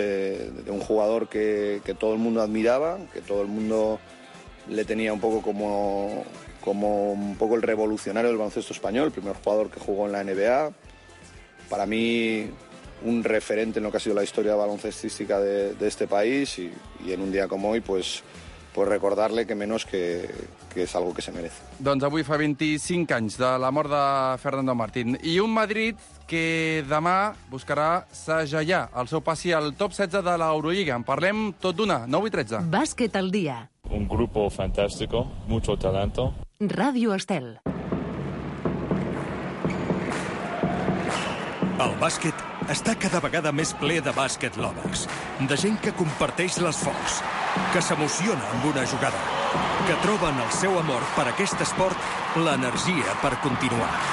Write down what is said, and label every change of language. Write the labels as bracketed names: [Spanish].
[Spanish] De un jugador que todo el mundo admiraba, que todo el mundo le tenía un poco como un poco el revolucionario del baloncesto español, el primer jugador que jugó en la NBA. Para mí, un referente en lo que ha sido la historia baloncestística de este país y en un día como hoy, pues recordarle que menos que es algo que se merece. [Catalan] Doncs avui fa 25 anys de la mort de Fernando Martín. I un Madrid que demà buscarà segellar el seu passi al top 16 de l'Euroliga. En parlem tot d'una, 9:13. Bàsquet al dia. [Spanish] Un grupo fantástico, mucho talento. Radio Estel. [Catalan] El bàsquet està cada vegada més ple de bàsquet lovers, de gent que comparteix l'esforç, que s'emociona amb una jugada, que troba en el seu amor per aquest esport l'energia per continuar.